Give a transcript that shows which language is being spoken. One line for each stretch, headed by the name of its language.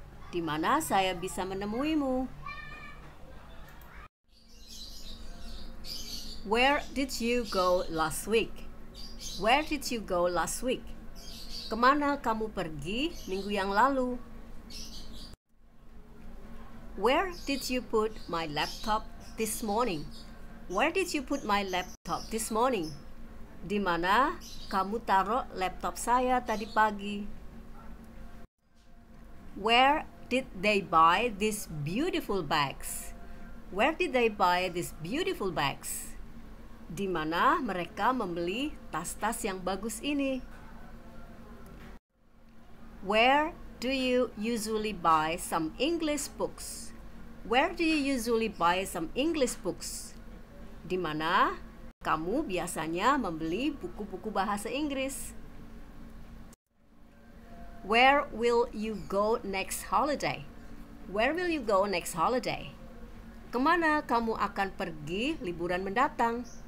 Indonesian: Di mana saya bisa menemuimu?
English: Where did you go last week? Where did you go last week?
Indonesian: Kemana kamu pergi minggu yang lalu?
English: Where did you put my laptop this morning? Where did you put my laptop this morning?
Indonesian: Di mana kamu taruh laptop saya tadi pagi?
English: Where did they buy these beautiful bags? Where did they buy these beautiful bags?
Indonesian: Di mana mereka membeli tas-tas yang bagus ini?
English: Where do you usually buy some English books? Where do you usually buy some English books?
Indonesian: Di mana kamu biasanya membeli buku-buku bahasa Inggris?
English: Where will you go next holiday? Where will you go next holiday?
Indonesian: Kemana kamu akan pergi liburan mendatang?